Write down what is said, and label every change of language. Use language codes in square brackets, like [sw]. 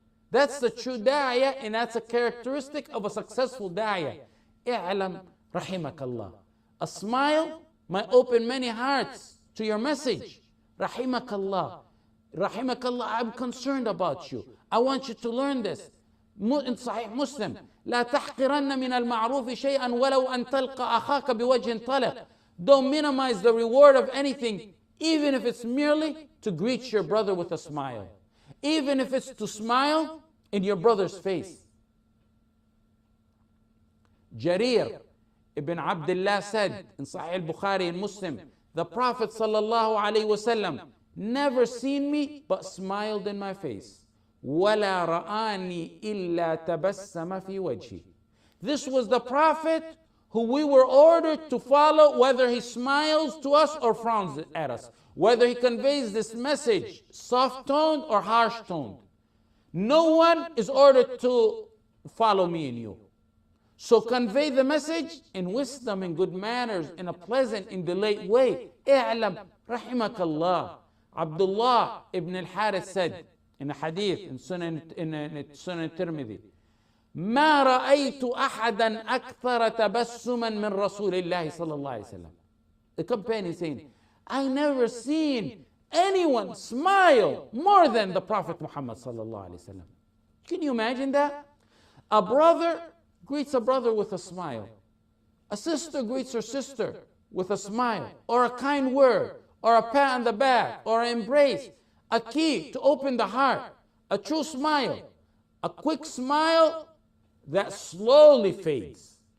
[en] That's the true da'iyah, and that's a characteristic of a successful da'iyah. I'lam Rahimakallah. A smile might open many hearts to your message. Rahimakallah. Rahimakallah, I'm concerned about you. I want you to learn this. [ar] In Sahih Muslim, لا تحقرن من المعروف شيئا ولو أن تلقى أخاك بوجه طلق. [en] Don't minimize the reward of anything, even if it's merely to greet your brother with a smile. Even if it's to smile in your brother's face. Jarir Ibn Abdullah said in Sahih al-Bukhari and Muslim, the Prophet sallallahu alayhi wasallam never seen me but smiled in my face. [ar] وَلَا رَآنِي إِلَّا تَبَسَّمَ فِي وَجْهِ. [en] This was the Prophet who we were ordered to follow, whether he smiles to us or frowns at us, whether he conveys this message soft-toned or harsh-toned. No one is ordered to follow me and you. So convey the message in wisdom, in good manners, in a pleasant and delayed way. I'lam Rahimakallah. Abdullah ibn al-Harith said in a hadith in Sunan Tirmidhi, [ar] مَا رَأَيْتُ أَحَدًا أَكْثَرَ تَبَسُّمًا مِنْ رَسُولِ اللَّهِ صَلَى اللَّهِ وَسَلَّمَ. [en] The companion saying, I never seen anyone smile more than the Prophet Muhammad [ar] صَلَى اللَّهِ وَسَلَّمَ. [en] Can you imagine that? A brother greets a brother with a smile. A sister greets her sister with a smile, or a kind word, or a pat on the back, or an embrace, a key to open the heart, a true smile, a quick smile that slowly fades.